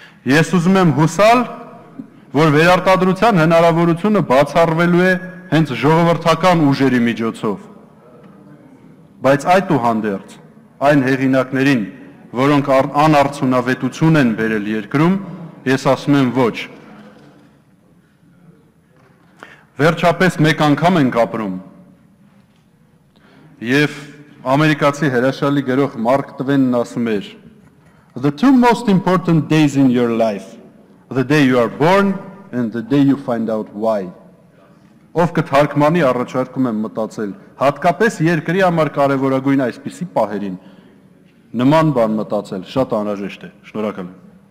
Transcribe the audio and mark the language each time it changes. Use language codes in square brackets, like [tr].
[hy] Ես ուզում եմ հուսալ, որ վերարտադրության հնարավորությունը բացառվելու է հենց ժողովրդական ուժերի միջոցով, բայց այդուհանդերձ այն հեղինակներին, որոնք անարդյունավետություն են բերել երկրում, ես ասում եմ ոչ։ Վերջապես մեկ անգամ ենք ապրում, և ամերիկացի հրաշալի գրող Մարկ Տվենն ասում էր. [en] The two most important days in your life, the day you are born and the day you find out why. [hy] Ով կթարգմանի, առաջարկում եմ մտածել, հատկապես երկրի համար կարևորագույն այսպիսի պահերին, նման բան մտածել շատ անհրաժեշտ է։ Շնորհակալություն։